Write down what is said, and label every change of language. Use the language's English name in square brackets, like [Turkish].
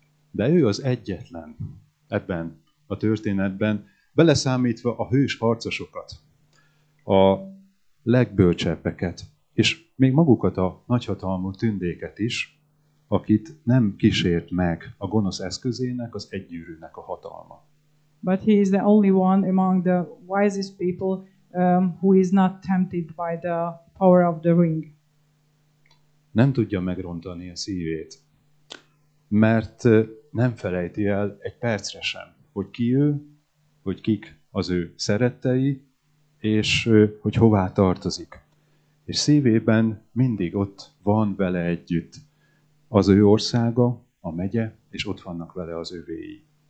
[Hungarian] De ő az egyetlen ebben a történetben, beleszámítva a hős harcosokat, a legbölcsebbeket, és még magukat a nagyhatalmú tündéket is, akit nem kísért meg a gonosz eszközének, az egygyűrűnek a hatalma. [English] But he is the only one among the wisest people who is not tempted by the power of the ring. [Hungarian] Nem tudja megrontani a szívét, mert nem felejti el egy percre sem, hogy ki ő, hogy kik az ő szerettei, és hogy hová tartozik. És szívében mindig ott van vele együtt az ő országa, a megye, és ott vannak vele az övéi.